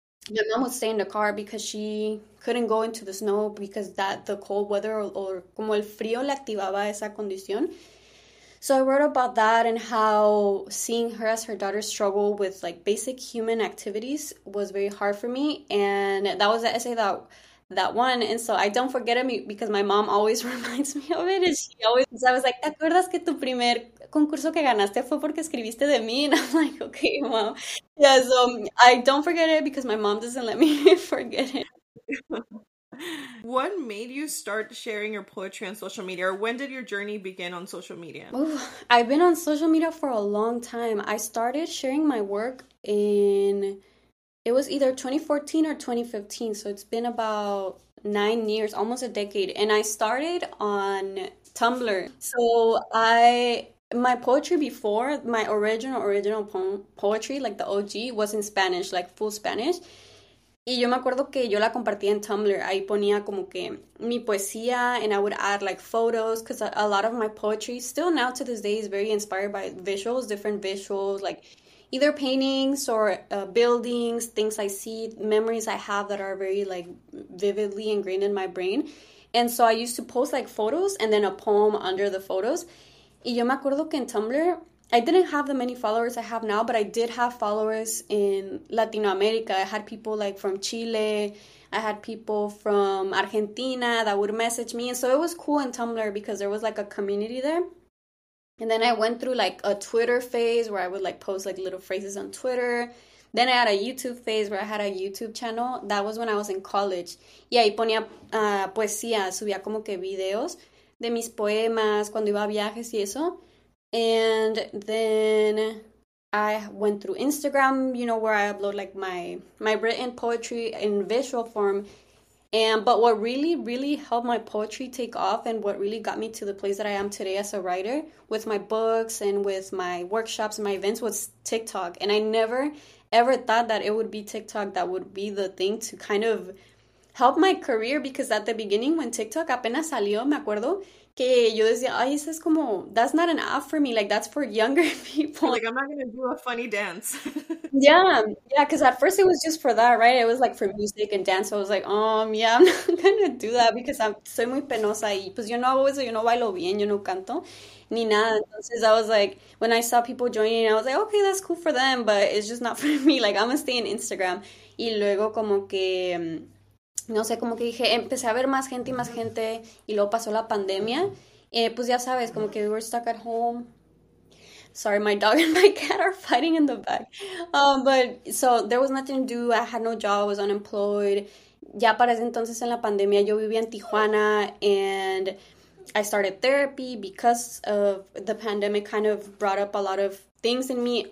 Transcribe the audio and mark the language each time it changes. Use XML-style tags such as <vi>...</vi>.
<en>My mom would stay in the car because she couldn't go into the snow because that the cold weather or</en> <es>como el frío le activaba esa condición.</es> <en>So I wrote about that and how seeing her as her daughter struggle with like basic human activities was very hard for me. And that was the essay that one. And so I don't forget it because my mom always reminds me of it. And she always, so I was like,</en> <es>¿te acuerdas que tu primer concurso que ganaste fue porque escribiste de mí?</es> <en>And I'm like, okay, mom. Yeah, so I don't forget it because my mom doesn't let me forget it. What made you start sharing your poetry on social media, or when did your journey begin on social media? Oof, I've been on social media for a long time. I started sharing my work in, it was either 2014 or 2015, so it's been about 9 years, almost a decade. And I started on Tumblr. So my poetry before, my original poetry, like the OG, was in Spanish, like full Spanish.</en> <es>Y yo me acuerdo que yo la compartía en Tumblr. Ahí ponía como que mi poesía,</es> <en>and I would add like photos, because a lot of my poetry, still now to this day, is very inspired by visuals, different visuals, like either paintings or buildings, things I see, memories I have that are very like vividly ingrained in my brain. And so I used to post like photos and then a poem under the photos.</en> <es>Y yo me acuerdo que en Tumblr,</es> <en>I didn't have the many followers I have now, but I did have followers in Latinoamérica. I had people like from Chile. I had people from Argentina that would message me. And so it was cool in Tumblr because there was like a community there. And then I went through like a Twitter phase where I would like post like little phrases on Twitter. Then I had a YouTube phase where I had a YouTube channel. That was when I was in college.</en> <es>Y ahí ponía poesía, subía como que videos de mis poemas cuando iba a viajes y eso.</es> <en>And then I went through Instagram, where I upload like my written poetry in visual form. And but what really, really helped my poetry take off and what really got me to the place that I am today as a writer with my books and with my workshops and my events was TikTok. And I never ever thought that it would be TikTok that would be the thing to kind of help my career because at the beginning when TikTok</en> <es>apenas salió, me acuerdo que yo decía, ay, eso es como,</es> <en>that's not an app for me, like that's for younger You're people. like, I'm not gonna do a funny dance. Yeah, because at first it was just for that, right? It was like for music and dance. So I was like, yeah, I'm not gonna do that because I'm</en> <es>soy muy penosa y pues yo no hago eso, yo no bailo bien, yo no canto ni nada.</es> <en>Entonces I was like, when I saw people joining, I was like, okay, that's cool for them, but it's just not for me. Like, I'm gonna stay in Instagram.</en> <es>Y luego como que, no sé, como que dije, empecé a ver más gente y más gente y luego pasó la pandemia. Pues ya sabes, como que</es> <en>we were stuck at home. Sorry, my dog and my cat are fighting in the back. But so there was nothing to do. I had no job. I was unemployed.</en> <es>Ya para ese entonces en la pandemia, yo vivía en Tijuana</es> <en>and I started therapy because of the pandemic, kind of brought up a lot of things in me.</en>